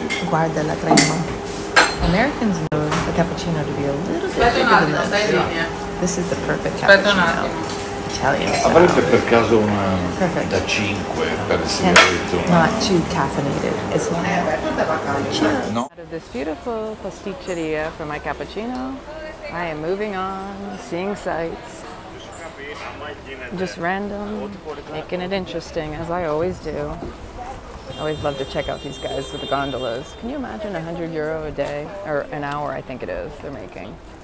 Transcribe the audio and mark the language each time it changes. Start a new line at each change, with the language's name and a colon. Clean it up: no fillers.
English: Guarda la crema. Americans know the cappuccino to be a little bit bigger than this. Yeah. This is the perfect cappuccino. Italian style.
Italian: Avrebbe per caso una da 5 per il sigaretto.
English: Not too caffeinated. It's not. No. Out of this beautiful pasticceria for my cappuccino, I am moving on, seeing sights. Just random, making it interesting, as I always do. I always love to check out these guys with the gondolas. Can you imagine 100 euro a day, or an hour, I think it is, they're making.